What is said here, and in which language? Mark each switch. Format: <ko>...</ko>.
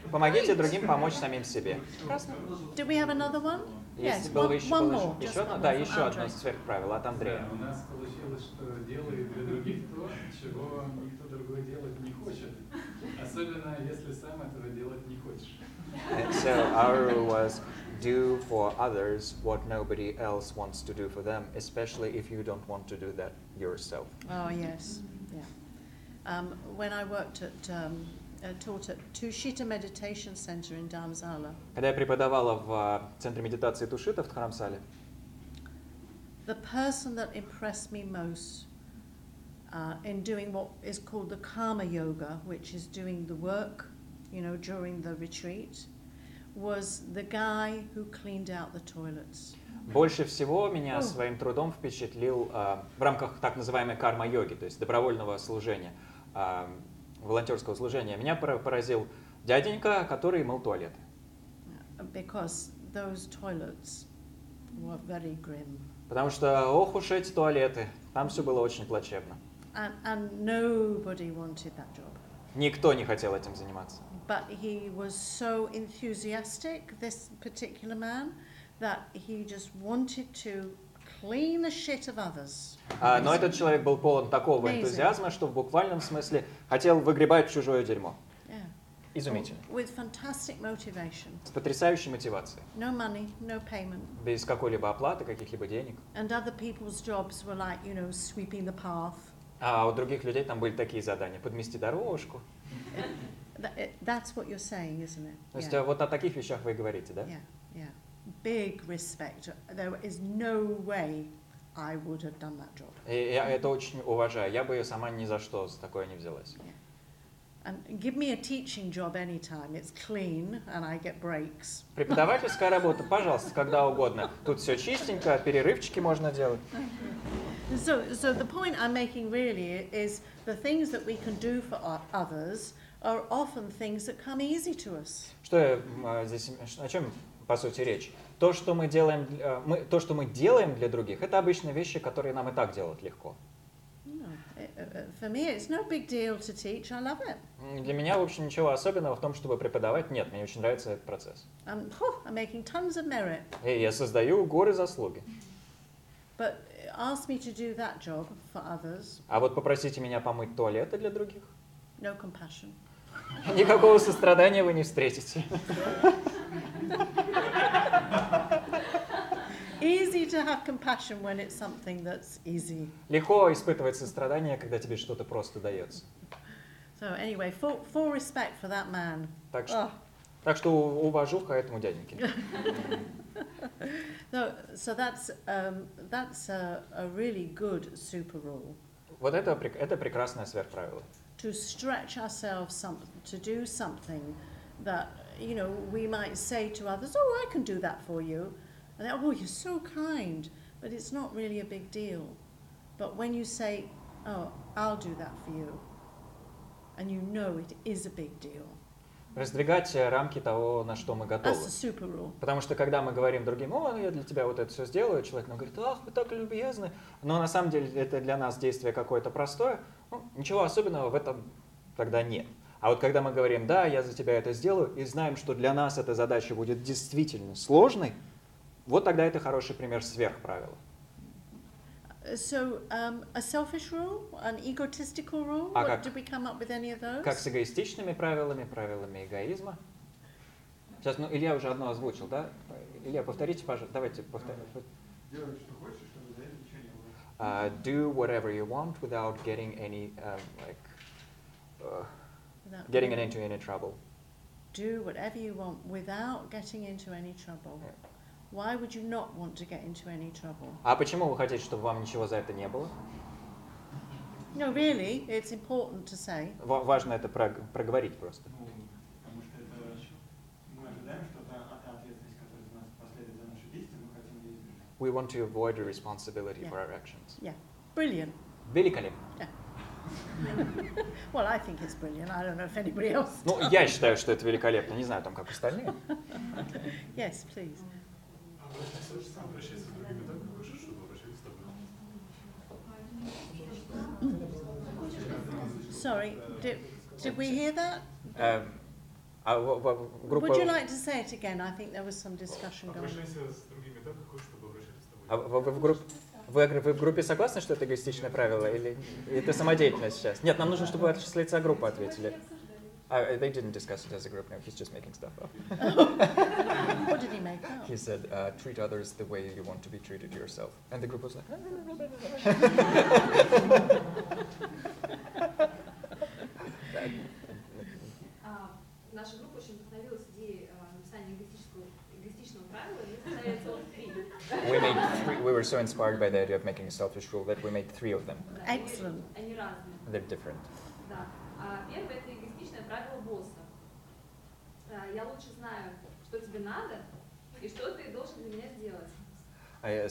<ru>Помогите другим помочь самим себе.</ru> <en>Do we have another one? Yes, one more.</en> <ru>Еще одно? Да, еще одно сверхправило от Андрея. У нас получилось, что делает для других то, чего никто другой делать не хочет. Особенно, если сам этого делать не хочешь.</ru> <en>So our rule was do for others what nobody else wants to do for them, especially if you don't want to do that yourself. Oh, yes. Yeah. When I worked at... taught at Tushita Meditation Center in Dharamsala.</en> <ru>Когда я преподавала в центре медитации Тушита в Дхарамсале.</ru> <en>The person that impressed me most in doing what is called the karma yoga, which is doing the work, you know, during the retreat, was the guy who cleaned out the toilets.</en> <ru>Больше всего меня своим трудом впечатлил в рамках так называемой карма йоги, то есть добровольного служения. Волонтерского служения, меня поразил дяденька, который мыл туалеты.</ru> <en>Because those toilets were very grim.</en> <ru>Потому что, ох уж эти туалеты, там все было очень плачевно.</ru> <en>And nobody wanted that job.</en> <ru>Никто не хотел этим заниматься.</ru> <en>But he was so enthusiastic, this particular man, that he just wanted to clean the shit of others.</en> <ru>Но этот человек был полон такого</ru> <en>Amazing.</en> <ru>Энтузиазма, что в буквальном смысле хотел выгребать чужое дерьмо.</ru> <en>Yeah.</en> <ru>Изумительно.</ru> <en>With fantastic motivation.</en> <ru>С потрясающей мотивацией.</ru> <en>No money, no payment.</en> <ru>Без какой-либо оплаты, каких-либо денег.</ru> <en>And other people's jobs were like, you know, sweeping the path.</en> <ru>А у других людей там были такие задания: подмести дорожку.</ru> <en>That's what you're saying, isn't it?</en> <ru>То есть</ru> <en>yeah.</en> <ru>вот о таких вещах вы и говорите, да?</ru> <en>Yeah. Yeah. Big respect. There is no way I would have done that job.</en> <ru>Я это очень уважаю. Я бы сама ни за что за такое не взялась.</ru> <en>And give me a teaching job anytime. It's clean and I get breaks.</en> <ru>Преподавательская работа, пожалуйста, когда угодно. Тут все чистенько, перерывчики можно делать.</ru> <en>So the point I'm making really is the things that we can do for others are often things that come easy to us.</en> <ru>Что я здесь о чем? По сути, речь. То, что мы делаем для других, это обычные вещи, которые нам и так делать легко.</ru> <en>For me, it's no big deal to teach. I love it.</en> <ru>Для меня, в общем, ничего особенного в том, чтобы преподавать. Нет, мне очень нравится этот процесс.</ru> <en>I'm making tons of merit.</en> <ru>И я создаю горы заслуги.</ru> <en>But ask me to do that job for others.</en> <ru>А вот попросите меня помыть туалеты для других.</ru> <en>No compassion.</en> <ru>Никакого сострадания вы не встретите.</ru> <en>Easy to have compassion when it's something that's easy.</en> <ru>Легко испытывать сострадание, когда тебе что-то просто дается.</ru> <en>So anyway, full respect for that man.</en> <ru>Так что уважуха этому дяденьке.</ru> <en>So that's a really good super rule.</en> <ru>Вот это прекрасное сверхправило.</ru> <en>To stretch ourselves some, to do something that, you know, we might say to others, oh, I can do that for you. And they, oh, you're so kind. But it's not really a big deal. But when you say, oh, I'll do that for you, and you know it is a big deal.</en> <ru>Раздвигать рамки того, на что мы готовы. Потому что, когда мы говорим другим, о, я для тебя вот это все сделаю, человек нам говорит, ах, вы так любезны. Но на самом деле это для нас действие какое-то простое. Ну, ничего особенного в этом тогда нет. А вот когда мы говорим, да, я за тебя это сделаю, и знаем, что для нас эта задача будет действительно сложной, вот тогда это хороший пример сверхправила.</ru> <en>So, a selfish rule, an egotistical rule, а what did we come up with any of those?</en> <ru>Как с эгоистичными правилами, правилами эгоизма. Сейчас, ну, Илья уже одно озвучил, да? Илья, повторите, пожалуйста, давайте повторим. Делай, что хочешь, чтобы за это ничего не было.</ru> <en>Do whatever you want without getting any, like, getting into any trouble. Do whatever you want without getting into any trouble. Yeah. Why would you not want to get into any trouble?</en> <ru>А почему вы хотите, чтобы вам ничего за это не было?</ru> <en>No, really, it's important to say.</en> <ru>Важно это проговорить просто. Ну, потому что это мы ожидаем, что это ответственность, которая за нас последует за наши действия, мы хотим ее избежать.</ru> <en>We want to avoid the responsibility for our actions. Yeah. Brilliant.</en> <ru>Великолепно.</ru> <en>Yeah. Well, I think it's brilliant. I don't know if anybody else.</en> <ru>Ну, я считаю, что это великолепно. Не знаю, там как остальные.</ru> <en>Yes, please. Sorry, did we hear that? Would you like to say it again? I think there was some discussion going on.</en> <ru>Вы в группе согласны, что это эгоистичное правило, или это самодеятельность сейчас? Нет, нам нужно, чтобы ваши лица группы ответили.</ru> <en>They didn't discuss it as a group. No, he's just making stuff up. What did he make up? He said, "Treat others the way you want to be treated yourself." And the group was like,</en> <ru>"Наша группа очень вдохновилась идеей написания эгоистичного правила, и мы создали целых три."</ru> <en>We made three. We were so inspired by the idea of making a selfish rule that we made three of them. Excellent.</en> <ru>Они разные.</ru> <en>They're different.</en> <ru>Первое — это эгоистичное правило босса. Я лучше знаю, что тебе надо и что ты должен для меня сделать.</ru>